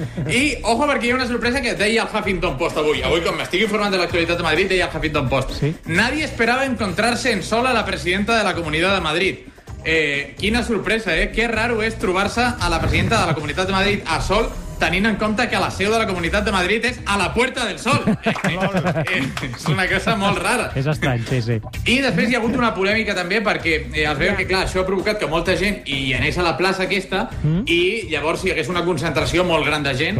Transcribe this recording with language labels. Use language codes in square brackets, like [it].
[ca] I ojo, perquè hi ha una sorpresa que deia el Huffington Post avui. Avui, com m'estic informant de l'actualitat de Madrid, deia el Huffington Post. Sí. [es] Nadie esperaba encontrarse en sol a la presidenta de la Comunidad de Madrid. [ca] Quina sorpresa, eh? [es] Qué raro [ca] és trobar-se a la presidenta de la Comunidad de Madrid a sol, tenint en compte que la seu de la Comunitat de Madrid és a la Puerta del Sol. És una cosa molt rara. És estrany, sí, sí. I després hi ha hagut una polèmica també perquè es veu que, clar, això ha provocat que molta gent hi anés a la plaça aquesta i llavors hi hagués una concentració molt gran de gent.